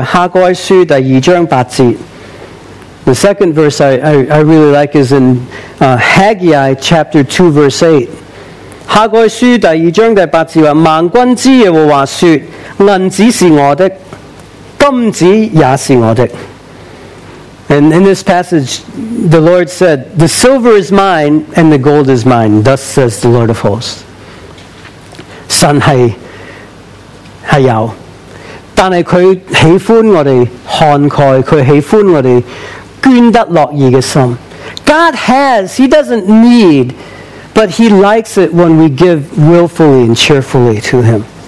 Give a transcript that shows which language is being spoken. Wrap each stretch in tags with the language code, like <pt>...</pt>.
<zh>因为第二个经文呢,就是哈该书第二章八节。</zh> <en>The second verse I really like is in Haggai chapter 2 verse 8.</en> <zh>哈该书第二章第八节说,万军之耶和华说,银子是我的, 金子也是我的。</zh> <en>And in this passage, the Lord said, the silver is mine and the gold is mine, thus says the Lord of hosts.</en> <zh>神是有, 但是祂喜欢我们慷慨,祂喜欢我们捐得乐意的心。</zh> <en>God has, He doesn't need, but He likes it when we give willfully and cheerfully to Him.</en>